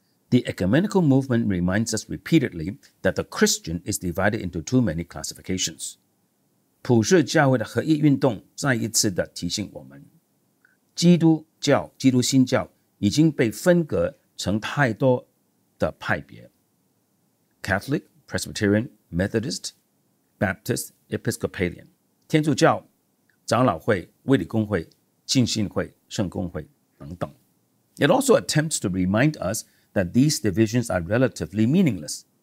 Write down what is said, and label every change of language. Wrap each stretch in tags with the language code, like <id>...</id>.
<en>The ecumenical movement reminds us repeatedly that the Christian is divided into too many classifications.</en> <zh>普世教会的合一运动再一次的提醒我们，基督教、基督新教已经被分隔成太多的派别。</zh> <en>Catholic, Presbyterian, Methodist, Baptist, Episcopalian.</en> <zh>天主教、长老会、卫理公会、浸信会、圣公会等等。</zh> <en>It also attempts to remind us that these divisions are relatively meaningless.</en>